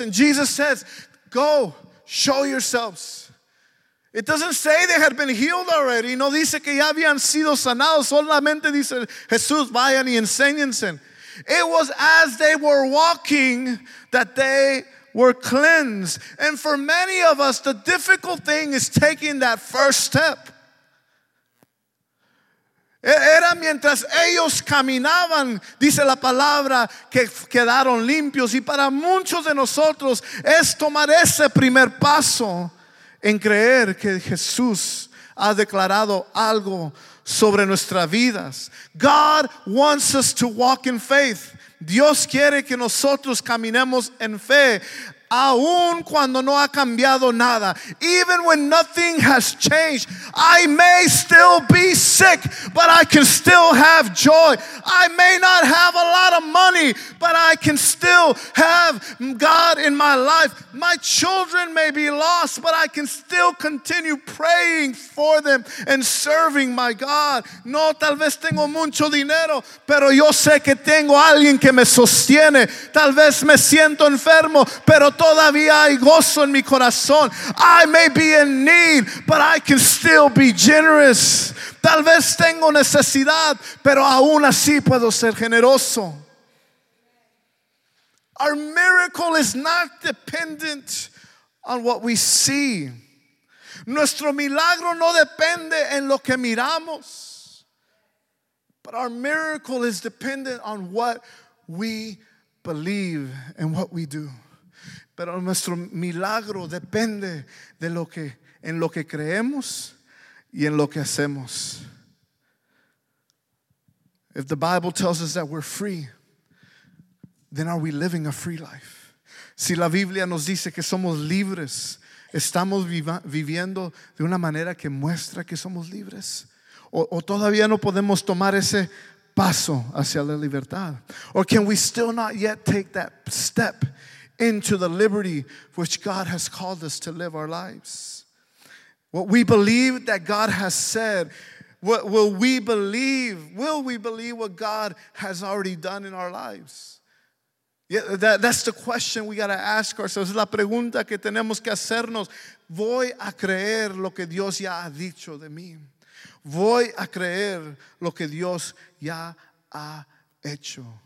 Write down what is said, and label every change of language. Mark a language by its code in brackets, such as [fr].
[en] And Jesus says, go, show yourselves. It doesn't say they had been healed already. [es] No dice que ya habían sido sanados. Solamente dice Jesús, vayan y enséñense. [en] It was as they were walking that they were cleansed. And for many of us, the difficult thing is taking that first step. [es] Era mientras ellos caminaban, dice la palabra, que quedaron limpios. Y para muchos de nosotros es tomar ese primer paso en creer que Jesús ha declarado algo sobre nuestras vidas. [en] God wants us to walk in faith. [es] Dios quiere que nosotros caminemos en fe. Aún cuando no ha cambiado nada, [en] even when nothing has changed, I may still be sick, but I can still have joy. I may not have a lot of money, but I can still have God in my life. My children may be lost, but I can still continue praying for them and serving my God. [es] No, tal vez tengo mucho dinero, pero yo sé que tengo alguien que me sostiene. Tal vez me siento enfermo, pero todavía hay gozo en mi corazón. [en] I may be in need, but I can still be generous. [es] Tal vez tengo necesidad, pero aún así puedo ser generoso. [en] Our miracle is not dependent on what we see. [es] Nuestro milagro no depende en lo que miramos, [en] but our miracle is dependent on what we believe and what we do. [es] Pero nuestro milagro depende de lo que, en lo que creemos y en lo que hacemos. [en] If the Bible tells us that we're free, then are we living a free life? [es] Si la Biblia nos dice que somos libres, ¿estamos viviendo de una manera que muestra que somos libres? ¿O todavía no podemos tomar ese paso hacia la libertad? [en] Or can we still not yet take that step into the liberty which God has called us to live our lives? What we believe that God has said, what will we believe? Will we believe what God has already done in our lives? Yeah, that's the question we got to ask ourselves. [es] La pregunta que tenemos que hacernos. Voy a creer lo que Dios ya ha dicho de mí. Voy a creer lo que Dios ya ha hecho.